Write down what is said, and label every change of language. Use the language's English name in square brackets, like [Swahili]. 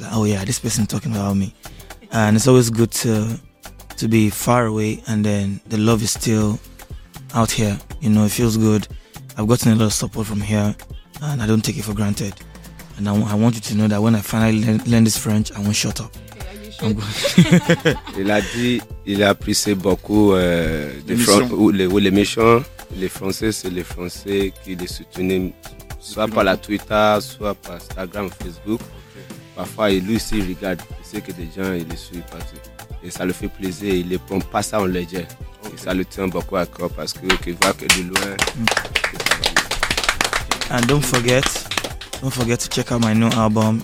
[English] Like, oh yeah, this person talking about me. And it's always good to be far away and then the love is still out here. You know, it feels good. I've gotten a lot of support from here and I don't take it for granted. And I want you to know that when I finally learn this French, I won't shut up. [French] Il a dit, il a apprécié beaucoup l'émission. Les Français, c'est les Français qui les soutiennent, soit par la Twitter, soit par Instagram, Facebook. Okay. Parfois, lui aussi, il regarde, il sait que des gens, il les suit partout. Et ça le fait plaisir, il ne prend pas ça en légère. Okay. Et ça le tient beaucoup à cœur parce qu'il voit que de loin. Okay. [English] And don't forget to check out my new album.